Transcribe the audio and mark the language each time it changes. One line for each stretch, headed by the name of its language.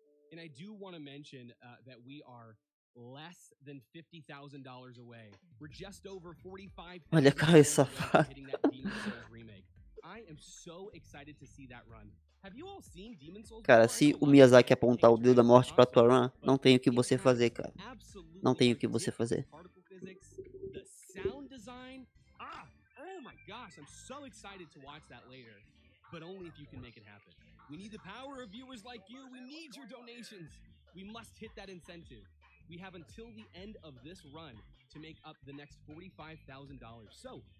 English: And I do want to mention that we are less than $50,000 away. We're just over 45,000 hitting that Demon Souls remake. I am so excited to see that run. Have you all seen Demon Souls?
Portuguese: Cara, se o Miyazaki apontar o dedo da morte pra tua run, não tem o que você fazer, cara. Não tem o que você fazer.
English: Particle physics, the sound design. Ah, oh my gosh, I'm so excited to watch that later. But only if you can make it happen. We need the power of viewers like you. We need your donations. We must hit that incentive. We have until the end of this run to make up the next $45,000. So